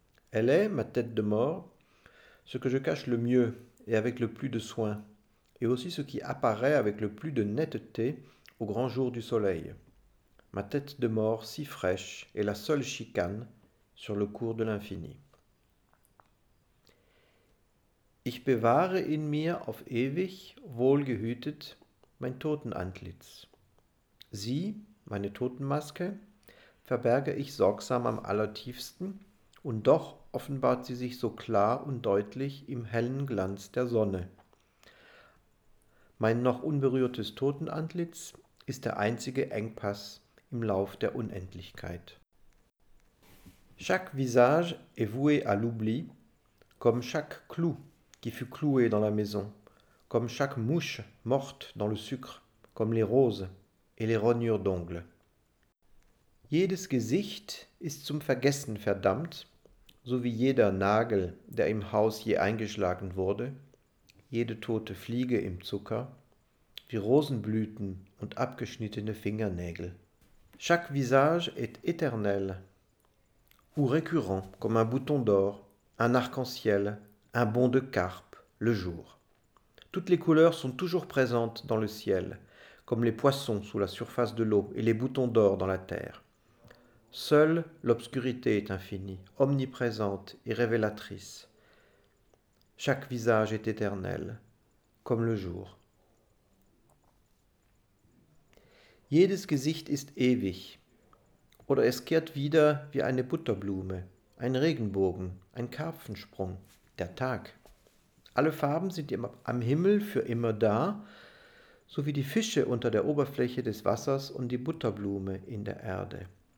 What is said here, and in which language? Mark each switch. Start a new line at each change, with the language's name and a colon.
French: Elle est, ma tête de mort, ce que je cache le mieux et avec le plus de soin, et aussi ce qui apparaît avec le plus de netteté au grand jour du soleil. Ma tête de mort si fraîche est la seule chicane sur le cours de l'infini.
German: Ich bewahre in mir auf ewig, wohlgehütet, mein Totenantlitz. Sie, meine Totenmaske, verberge ich sorgsam am allertiefsten, und doch offenbart sie sich so klar und deutlich im hellen Glanz der Sonne. Mein noch unberührtes Totenantlitz ist der einzige Engpass im Lauf der Unendlichkeit.
French: Chaque visage est voué à l'oubli, comme chaque clou qui fut cloué dans la maison, comme chaque mouche morte dans le sucre, comme les roses et les rognures d'ongles.
German: Jedes Gesicht ist zum Vergessen verdammt, so wie jeder Nagel, der im Haus je eingeschlagen wurde, jede tote Fliege im Zucker, wie Rosenblüten und abgeschnittene Fingernägel.
French: Chaque visage est éternel, ou récurrent, comme un bouton d'or, un arc-en-ciel, un bond de carpe, le jour. Toutes les couleurs sont toujours présentes dans le ciel, comme les poissons sous la surface de l'eau et les boutons d'or dans la terre. Seule l'obscurité est infinie, omniprésente et révélatrice. Chaque visage est éternel, comme le jour.
German: Jedes Gesicht ist ewig, oder es kehrt wieder wie eine Butterblume, ein Regenbogen, ein Karpfensprung, der Tag. Alle Farben sind am Himmel für immer da, so wie die Fische unter der Oberfläche des Wassers und die Butterblume in der Erde.